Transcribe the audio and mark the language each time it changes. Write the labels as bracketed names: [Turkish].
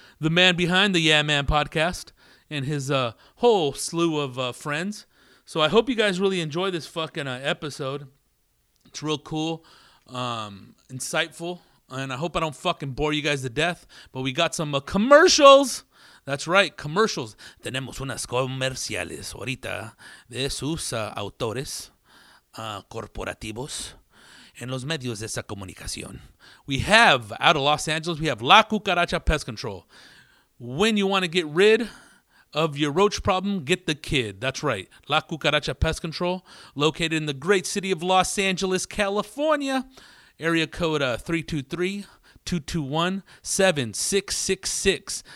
[English] The man behind the Yeah Man podcast and his whole slew of friends. So I hope you guys really enjoy this fucking episode. It's real cool, insightful, and I hope I don't fucking bore you guys to death. But we got some commercials. That's right, commercials. [Spanish] Tenemos unas comerciales ahorita de sus autores corporativos en los medios de esa comunicación. [English] We have, out of Los Angeles, we have La Cucaracha Pest Control. When you want to get rid of your roach problem, get the kid. That's right. La Cucaracha Pest Control, located in the great city of Los Angeles, California. Area code 323-221-7666.